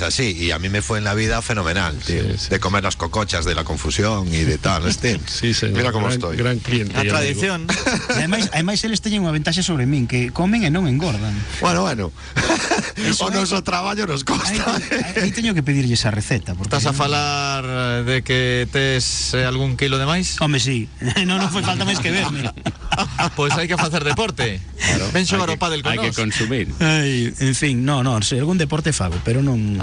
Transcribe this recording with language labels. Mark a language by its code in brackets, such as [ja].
[es] Así, y a mí me fue en la vida fenomenal, tío. Sí, sí. De comer las cocochas de La Confusión y de tal, este. Sí, señor. Mira cómo gran, estoy. Gran cliente. La tradición. Además, él está en una ventaja sobre mí, que comen y no engordan. Bueno, bueno. Eso o nuestro trabajo nos [gl] aí teño que pedirlle esa receta. Estás a falar de que tes algún kilo de máis? Home, sí. Non foi falta máis que verme. Pois hai que facer deporte. Claro, ven xogar o pádel con nós. Hai que consumir. Ay, en fin, non, non, sei, algún deporte fago, pero non...